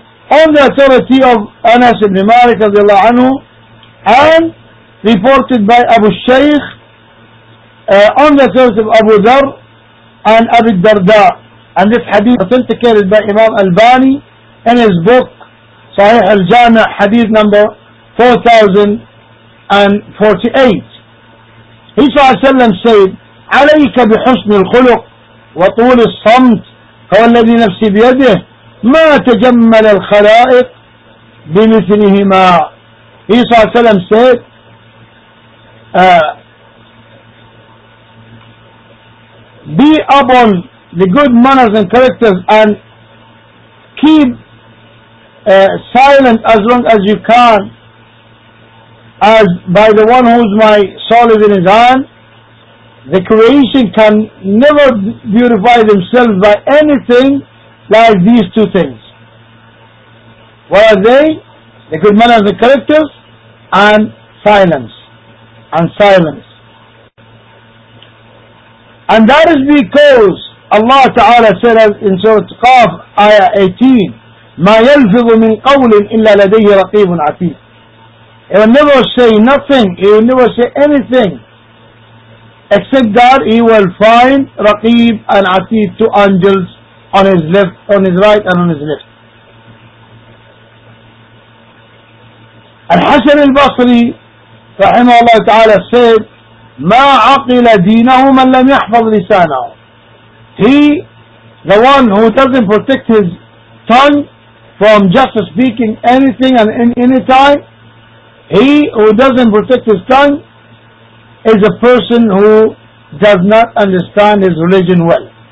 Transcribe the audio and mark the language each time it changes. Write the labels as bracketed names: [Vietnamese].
[English] on the authority of Anas ibn Malik radiallahu anhu, and reported by Abu Shaykh on the authority of Abu Dharr and Abu Darda. And this hadith authenticated by Imam Albani in his book Sahih al-Jami' hadith number 4048. [Arabic] He sallallahu alayhi wa sallam said, عليك بحسن الخلق وطول الصمت هو الذي نفسي بيده ما تجمل الخلائق بمثلهما. [English] He sallallahu alayhi wa said, be upon the good manners and characters and keep silent as long as you can, as by the one who's my solid in his hand, the creation can never beautify themselves by anything like these two things. What are they? The good manners and characters and silence. And silence. And that is because Allah Ta'ala said in Surah Qaf, Ayah 18, [Arabic] مَا يَلْفِظُ مِنْ قَوْلٍ إِلَّا لَدَيْهِ رَقِيبٌ عَتِيدٌ. [English] He will never say nothing, he will never say anything, except that he will find Raqib and Atid, two angels on his left, on his right and on his left. [Arabic] Al-Hasan al-Basri, رحمه الله تعالى, said, ما عقل دينه من لم يحفظ لسانه. [English] He, the one who doesn't protect his tongue from just speaking anything and in any time, he who doesn't protect his tongue is a person who does not understand his religion well.